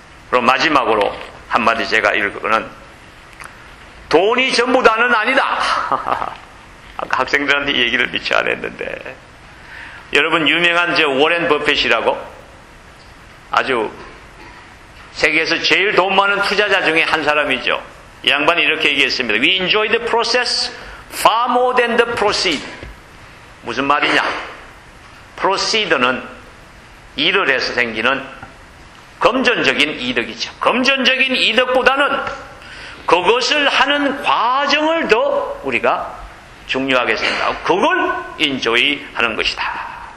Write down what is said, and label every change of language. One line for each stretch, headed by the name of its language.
Korean: 그럼 마지막으로 한마디 제가 읽은 돈이 전부다는 아니다. 아까 학생들한테 얘기를 미처 안 했는데 여러분 유명한 저 워렌 버핏이라고 아주 세계에서 제일 돈 많은 투자자 중에 한 사람이죠. 이 양반이 이렇게 얘기했습니다.
English: We enjoy the process far more than the proceed.
Korean: 무슨 말이냐? Proceed는 일을 해서 생기는 금전적인 이득이죠. 금전적인 이득보다는 그것을 하는 과정을 더 우리가 중요하게 생각하고 그걸 enjoy하는 것이다.